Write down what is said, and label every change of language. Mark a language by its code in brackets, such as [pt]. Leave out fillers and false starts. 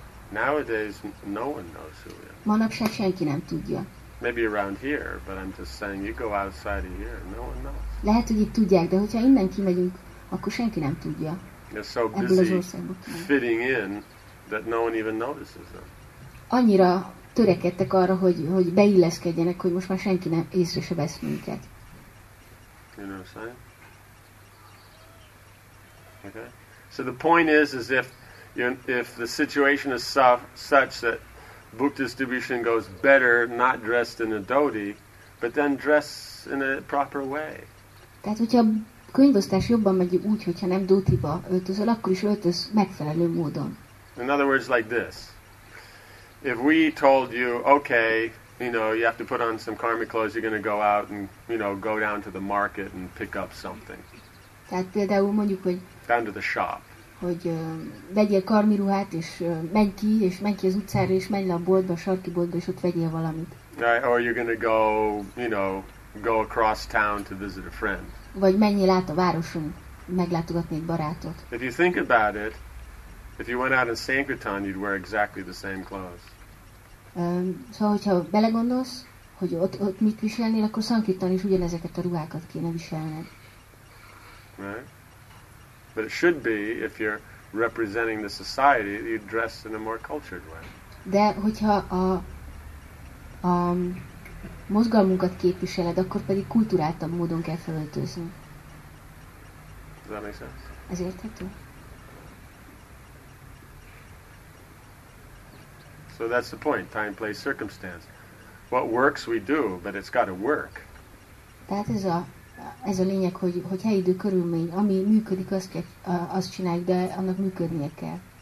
[en] Nowadays no one knows who we are. [hu] Manapság senki nem tudja. [en] Maybe around here, but I'm just saying, you go outside of here, no one knows. [hu] Lehet, hogy itt tudják, de hogyha innen kimegyünk, akkor senki nem tudja. [en] You're so busy fitting in that no one even notices them. [hu] Annyira törekedtek arra, hogy beilleszkedjenek, hogy most már senki nem észre se vesz minket. [en] You know what I'm saying? Okay. So the point is if the situation is such that book distribution goes better not dressed in a dhoti, but then dress in a proper way. [hu] Tehát hogyha a könyvosztás jobban megy úgy, hogyha nem dhotiba öltözöl, akkor is öltöz megfelelő módon. [en] In other words, like this. If we told you, okay, you know, you have to put on some karmic clothes, you're going to go out and, you know, go down to the market and pick up something. [hu] Tehát például mondjuk, hogy [en] down to the shop. [hu] Hogy vegyél karmi ruhát, és menj ki az utcára, és menj le a boltba, a sarki boltba, és ott vegyél valamit. [en] Right, or you're going to go, you know, go across town to visit a friend. [hu] Vagy menjél át a városon, meglátogatni egy barátot. [en] If you think about it, if you went out in Sankirtan, you'd wear exactly the same clothes. [hu] Szóval, hogyha belegondolsz, hogy ott mit viselnél, akkor Sankirtan is ugyanezeket a ruhákat kéne viselned. [en] Right? But it should be, if you're representing the society, you'd dress in a more cultured way. [hu] De hogyha a mozgalmunkat képviseled, akkor pedig kulturáltabb módon kell felöltözni. [en] Does that make sense? [hu] Ez érthető? [en] So that's the point, time, place, circumstance. What works we do, but it's got to work. That is [hu] ez a lényeg, hogy hely, idő, körülmény, ami működik, azt csináljuk, de annak működnie kell.